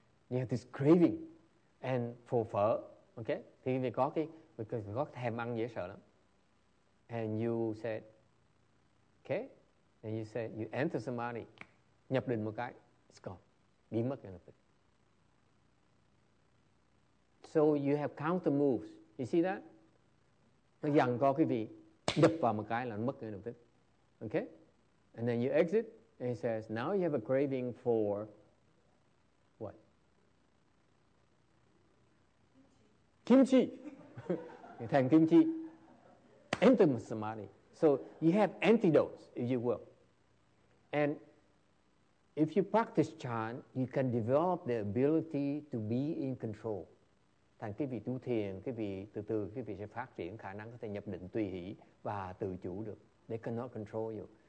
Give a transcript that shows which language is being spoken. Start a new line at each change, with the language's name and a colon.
English: You have this craving, and for phở, okay.
Vietnamese: Thì vì có cái, because có thèm ăn dễ sợ lắm.
English: And you said, okay. And you said you enter samadhi,
Vietnamese: nhập định một cái,
English: it's gone,
Vietnamese: biến mất nhập định.
English: So you have counter moves. You see that?
Vietnamese: Nó dằn co cái vị. Nhập vào một cái là nó mất ngay lập tức.
English: Okay? And then you exit and he says, now you have a craving for what? Kimchi. Kimchi.
Vietnamese: Thành kim chi.
English: Enter with samadhi. So you have antidotes, if you will. And if you practice chan, you can develop the ability to be in control.
Vietnamese: Thành cái vị tu thiền, cái vị từ từ, cái vị sẽ phát triển khả năng có thể nhập định tùy hỷ và tự chủ được.
English: They cannot control you.